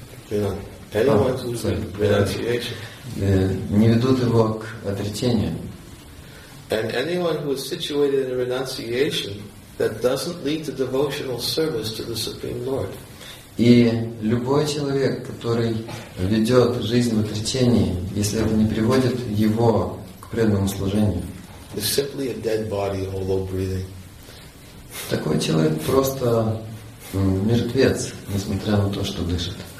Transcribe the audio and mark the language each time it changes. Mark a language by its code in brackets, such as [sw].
[ru] Не ведут его к отречению. [en] And anyone who is situated in a renunciation that doesn't lead to devotional service to the Supreme Lord. [ru] И любой человек, который ведет жизнь в отречении, если это не приводит его к преданному служению, [en] is simply a dead body, although breathing. [ru] Такой человек просто мертвец, несмотря на то, что дышит.